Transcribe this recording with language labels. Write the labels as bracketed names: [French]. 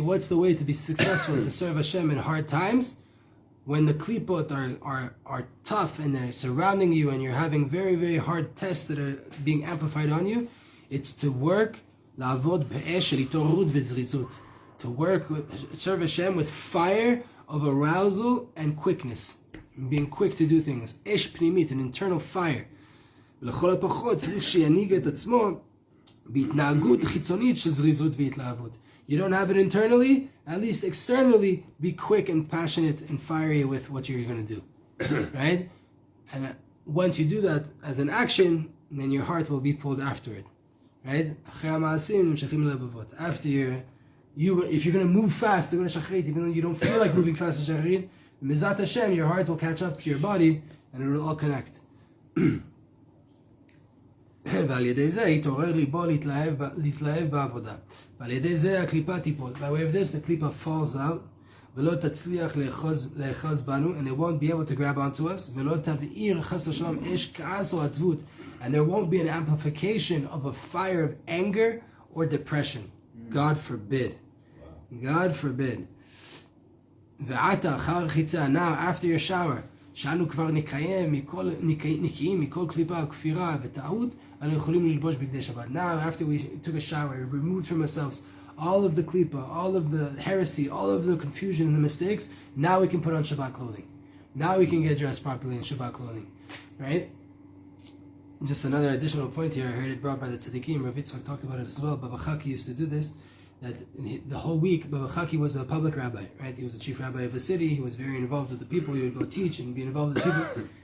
[English] What's the way to be successful to serve Hashem in hard times, when the klipot are tough and they're surrounding you and you're having very very hard tests that are being amplified on you? It's to work lavod be'esh litorud v'zrizut. To work serve Hashem with fire of arousal and quickness, being quick to do things. Esh pnimit, an internal fire. [Hebrew] ולכל הפחות צריך שינהיג את עצמו בהתנהגות חיצונית של זריזות והתלהבות. [English] You don't have it internally, at least externally, be quick and passionate and fiery with what you're going to do. Right? And once you do that as an action, then your heart will be pulled after it. Right? [Hebrew] אחרי המעשים נמשכים לבבות. [English] After your... If you're going to move fast, you're going to shachrit, even though you don't feel like moving fast to shachrit, mizat Hashem, your heart will catch up to your body, and it will all connect. [Hebrew] ועל ידי זה, התעורר ליבו להתלהב בעבודה. ועל ידי זה, הקליפה תיפול. [English] By way of this, the klipa falls out, [Hebrew] ולא תצליח לאחוז בנו, [English] and it won't be able to grab onto us, [Hebrew] ולא תבעיר חס השלום אש כעס או עצבות, [English] and there won't be an amplification of a fire of anger or depression. God forbid. God forbid. [Hebrew] ועתה אחר חיצה, [English] now after your shower, [Hebrew] שאנו כבר נקיים מכל קליפה, כפירה וטעות, אנו יכולים ללבוש בגדי שבת. [English] Now after we took a shower, we removed from ourselves all of the klipa, all of the heresy, all of the confusion and the mistakes, now we can put on Shabbat clothing. Now we can get dressed properly in Shabbat clothing. Right? Just another additional point here, I heard it brought by the Tzaddikim, Rav Yitzchak talked about it as well, Baba Chaki used to do this, that the whole week, Baba Chaki was a public rabbi, right? He was a chief rabbi of a city, he was very involved with the people, he would go teach and be involved with the people.